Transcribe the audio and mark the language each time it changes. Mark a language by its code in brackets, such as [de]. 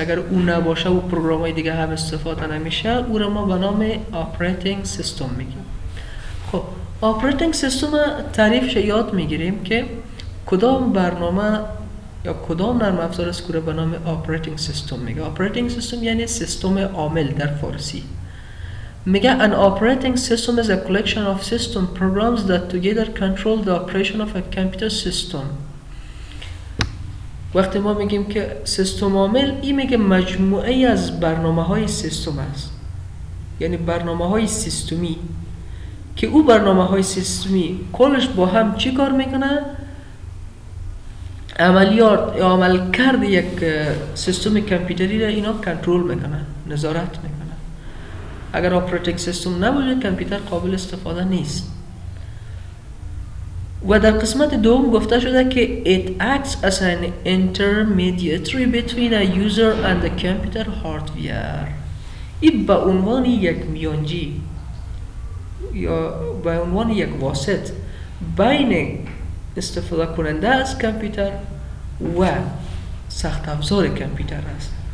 [fa] اگر او نباشه و پروگرام های دیگه هم استفاده نمیشه، او را ما به نام آپریتینگ سیستم میگیم. خب آپریتینگ سیستم تعریفش یاد میگیریم که کدام برنامه یا کدام نرم افزار است که به نام آپریتینگ سیستم میگه. آپریتینگ سیستم یعنی سیستم عامل در فارسی. میگه [en] an operating system is a collection of system programs that together control the operation of a computer system. [fa] وقتی ما میگیم که سیستم عامل، این میگه مجموعه از برنامه های سیستم است، یعنی برنامه های سیستمی که او برنامه های سیستمی کلش با هم چی کار میکنه؟ عملیات یا عمل کرد یک سیستم کامپیوتری را اینا کنترل میکنه، نظارت میکنه. اگر آپریتینگ سیستم نبوده کامپیوتر قابل استفاده نیست. و در قسمت دوم گفته شده که [en] it acts as an intermediary between a user and the computer hardware. [fa] این به عنوان یک میانجی یا به عنوان یک واسط بین استفاده کننده از کامپیوتر و سخت افزار کامپیوتر است.